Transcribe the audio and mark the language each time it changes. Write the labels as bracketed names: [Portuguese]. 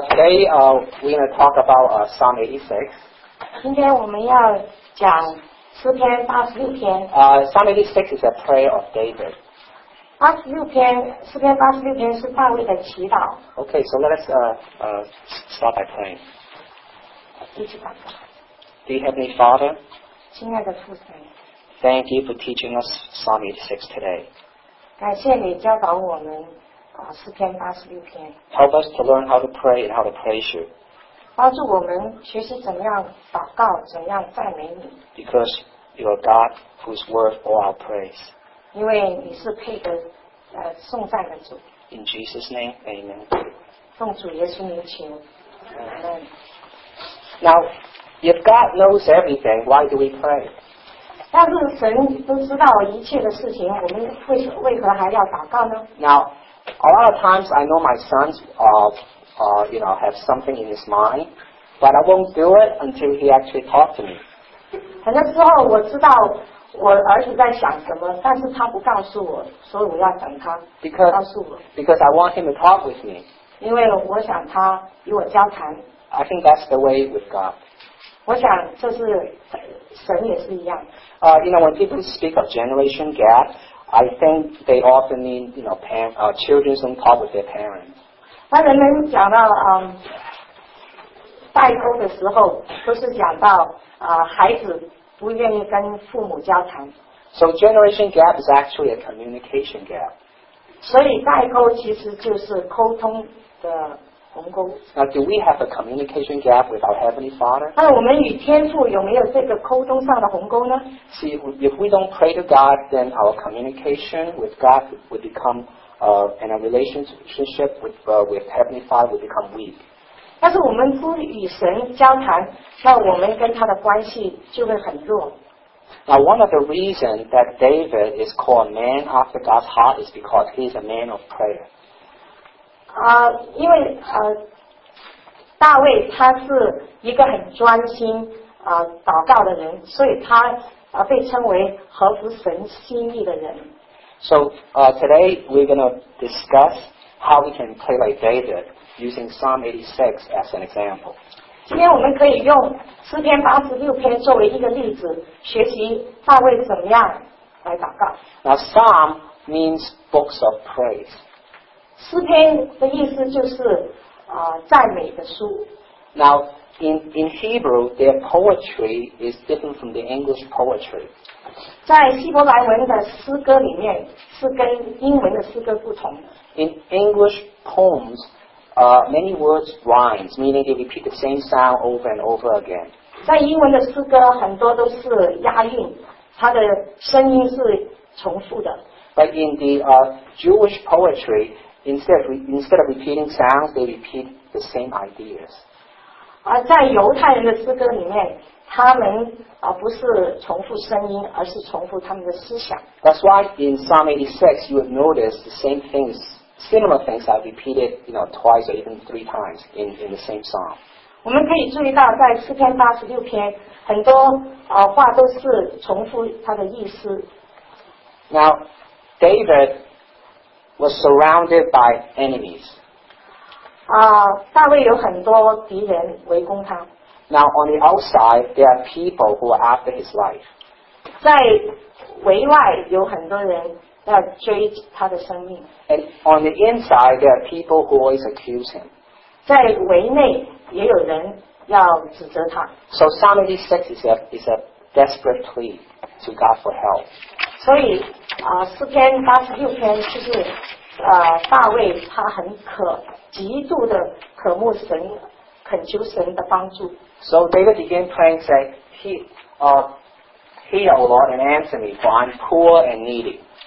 [English] Today we're going to talk about Psalm 86. [Chinese] 今天我们要讲诗篇八十六篇。 [English] Psalm 86 is a prayer of David. [Chinese] 八十六篇，诗篇八十六篇是大卫的祈祷。 [English] Okay, so let us start by praying. [Chinese] 一起祷告。 [English] Dear Heavenly Father, [Chinese] 亲爱的父神， [English] Thank you for teaching us Psalm 86 today. [Chinese] 感谢你教导我们诗篇八十六篇。 [English] Help us to learn how to pray and how to praise you. [Chinese] 帮助我们学习怎样祷告，怎样赞美你。 [English] Because you are God who is worth all our praise. [Chinese] 因为你是配得颂赞的主。 [English] In Jesus' name, Amen. [Chinese] 奉主耶稣名求。Amen. [English] Now,If God knows everything, why do we pray? [Chinese] 但是神都知道一切的事情，我们为何还要祷告呢？ [English] Now, a lot of times I know my sons you know, have something in his mind, but I won't do it until he actually talks to me. [Chinese] 很多时候我知道我儿子在想什么，但是他不告诉我，所以我要等他告诉我。 [English] Because I want him to talk with me. [Chinese] 因为我想他与我交谈。 [English] I think that's the way with God. [Chinese] 我想这是神也是一样。 [English] You know, when people speak of generation gap, I think they often mean, you know, children don't talk with their parents. [Chinese] 当人们讲到代沟的时候，都是讲到孩子不愿意跟父母交谈。 [English] So generation gap is actually a communication gap. [Chinese] 所以代沟其实就是沟通的。 [English] Now, do we have a communication gap with our Heavenly Father? [Chinese] 那我们与天父有没有这个沟通上的鸿沟呢？ [English] See, if we don't pray to God, then our communication with God would become, and our relationship with Heavenly Father would become weak. [Chinese] 但是我们不与神交谈，那我们跟他的关系就会很弱。 [English] Now, one of the reasons that David is called a man after God's heart is because he is a man of prayer. [Chinese] 因为大卫他是一个很专心祷告的人，所以他被称为合乎神心意的人。 [English] So, today we're going to discuss how we can pray like David using Psalm 86 as an example. [Chinese] 今天我们可以用诗篇八十六篇作为一个例子，学习大卫怎么样来祷告。 [English] Now, Psalm means books of praise. [Chinese] 诗篇的意思就是赞美的书。 [English] Now, in Hebrew, their poetry is different from the English poetry. [Chinese] 在希伯来文的诗歌里面是跟英文的诗歌不同的。 [English] In English poems, many words rhyme, meaning they repeat the same sound over and over again. [Chinese] 在英文的诗歌很多都是押韵，它的声音是重复的。 [English] But in the Jewish poetry,Instead of repeating sounds, they repeat the same ideas. [Chinese] 在犹太人的诗歌里面，他们不是重复声音，而是重复他们的思想。 [English] That's why in Psalm 86, you would notice the same things, similar things are repeated, you know, twice or even three times in the same song. [Chinese] 我们可以注意到，在诗篇八十六篇，很多话都是重复他的意思。 [English] Now, David. Was surrounded by enemies. [Chinese] 大卫有很多敌人围攻他。 [English] Now on the outside, there are people who are after his life. [Chinese] 在围外有很多人要追他的生命。 [English] And on the inside, there are people who always accuse him. [Chinese] 在围内也有人要指责他。 [English] So Psalm 86 is a desperate plea to God for help. [Chinese] 所以诗篇八十六篇就是大卫他很极度的渴慕神，恳求神的帮助。 [English] So David began praying, saying, Hear, O Lord, and answer me, for I'm poor and needy.